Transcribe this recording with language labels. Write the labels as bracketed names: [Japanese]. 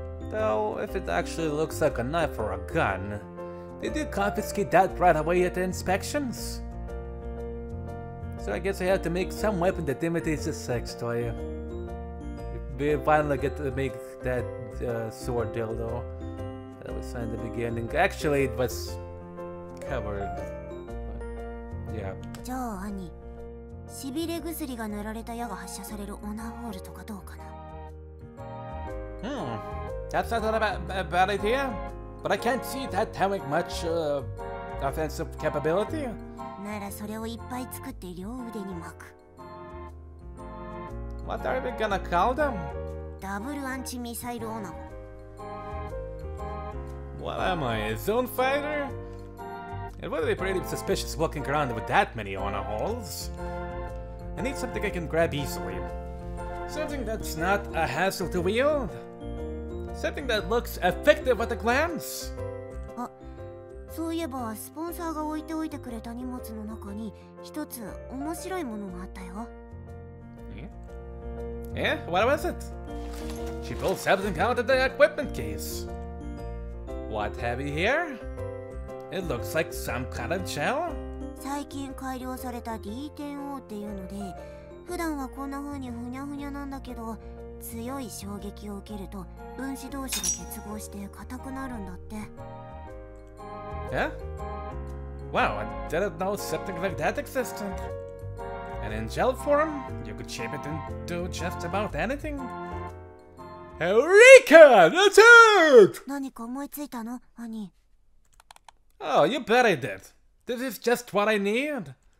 [English] Though, if it actually looks like a knife or a gun, they do confiscate that right away at the inspections. So I guess I have to make some weapon that imitates a sex toy. We finally get to make that, sword dildo. That was in the beginning. Actually, it was covered. [Japanese] じゃあ兄、しびれ薬が塗られた矢が発射されるオナホールとかどうかな。 [English] That's not a bad idea, but I can't see that having much offensive capability. [Japanese] ならそれをいっぱい作って両腕に巻く。 [English] What are we gonna call them? [Japanese] ダブルアンチミサイルオナホ。 [English] What am I, a zone fighter? It would be pretty suspicious walking around with that many honor holes. I need something I can grab easily. Something that's not a hassle to wield. Something that looks effective at a glance. [Japanese] あ、そういえばスポンサーが置いておいてくれた荷物の中に一つ面白いものがあったよ。 [English] Yeah? What was it? She pulled something out of the equipment case. What have you here? It looks like some kind of gel? [Japanese] 最近改良された D10O っていうので、普段はこんな風にふにゃふにゃなんだけど、強い衝撃を受けると分子同士が結合して硬くなるんだって。 [English] Yeah? Wow, I didn't know something like that existed. And in gel form, you could shape it into just about anything. Eureka! That's it! [Japanese] 何か思いついたの、兄。 [English] Oh, you bet I did. This is just what I need.